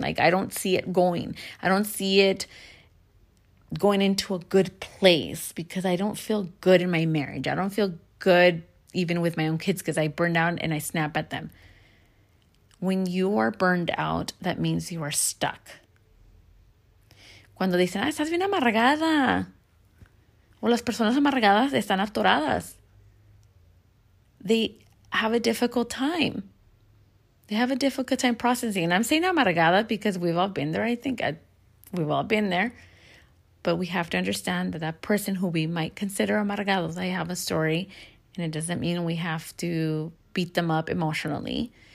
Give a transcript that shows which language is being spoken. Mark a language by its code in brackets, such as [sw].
[en] Like, I don't see it going. I don't see it going into a good place because I don't feel good in my marriage. I don't feel good even with my own kids because I burn out and I snap at them. When you are burned out, that means you are stuck. [es] Cuando dicen, ah, estás bien amargada. O las personas amargadas están atoradas. [en] They have a difficult time. They have a difficult time processing. And I'm saying amargada because we've all been there, I think. We've all been there. But we have to understand that that person who we might consider amargado, they have a story. And it doesn't mean we have to beat them up emotionally.